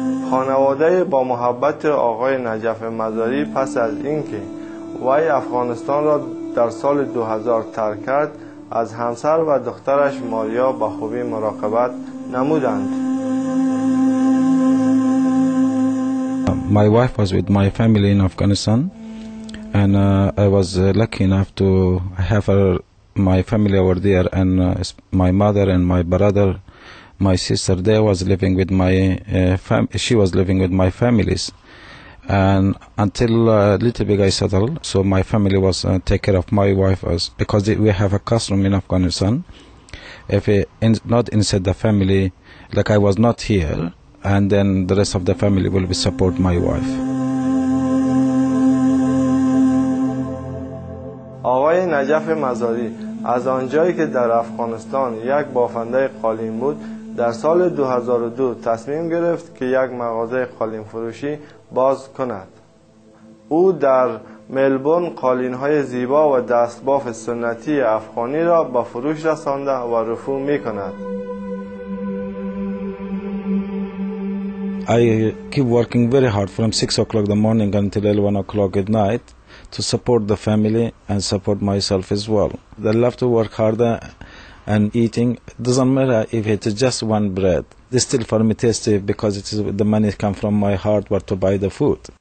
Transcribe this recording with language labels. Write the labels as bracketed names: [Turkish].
[Persian] خانواده با محبت آقای نجف مزاری پس از اینکه وی افغانستان را در سال 2000 ترک کرد، از همسر و دخترش ماریا به خوبی مراقبت نمودند. [English] My wife was with my family in Afghanistan and I was lucky enough to have her, my family over there and my mother and my brother, my sister, they was living with my she was living with my families. And until a little bit I settled, so my family was take care of my wife as because we have a custom in Afghanistan. If not inside the family, like I was not here, and then the rest of the family will be support my wife. [Persian] آقای نجف مزاری از آنجایی که در افغانستان یک بافنده قالین بود در سال 2002 تصمیم گرفت که یک مغازه قالین فروشی باز کند. او در ملبورن قالین های زیبا و دستباف سنتی افغانی را به فروش رسانده و رفو می کند. [English] I keep working very hard from 6 o'clock the morning until 11 o'clock at night to support the family and support myself as well. I love to work harder and eating. It doesn't matter if it's just one bread. It's still for me tasty because it is the money come from my heart where to buy the food.